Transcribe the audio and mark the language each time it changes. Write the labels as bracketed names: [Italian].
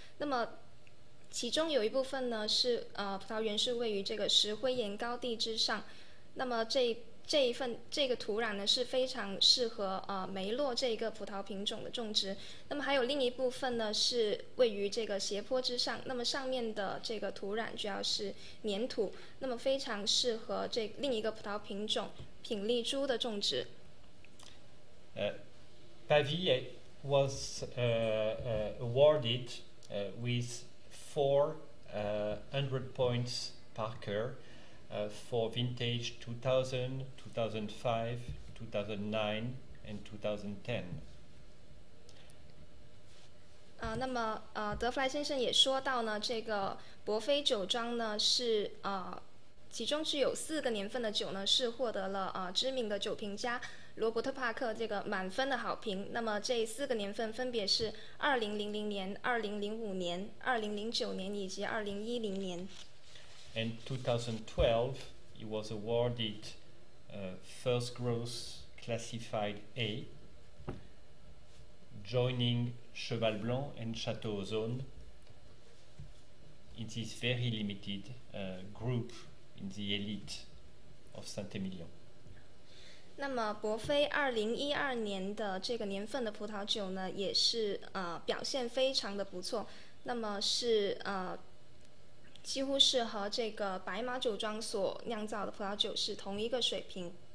[Chinese] 那么其中有一部分呢是葡萄园是位于这个石灰岩高地之上，那么这个土壤呢是非常适合梅洛这个葡萄品种的种植，那么还有另一部分呢是位于这个斜坡之上，那么上面的这个土壤主要是粘土，那么非常适合这另一个葡萄品种品丽珠的种植。 [English] Pavie was awarded with 400 points Parker for vintage 2000, 2005, 2009, and 2010. [Chinese] 那么德弗莱先生也说到呢，这个伯菲酒庄呢是其中是有四个年份的酒呢是获得了知名的酒评家罗伯特帕克这个满分的好评，那么这四个年份分别是2000年、2005年、2009年以及2010年。 [English] And 2012, it was awarded first growth classified A, joining Cheval Blanc and Chateau Ozone in this very limited group in the elite of Saint-Emilion. [Chinese] 那么伯菲2012年的这个年份的葡萄酒呢也是表现非常的不错，那么是几乎是和这个白马酒庄所酿造的葡萄酒是同一个水平。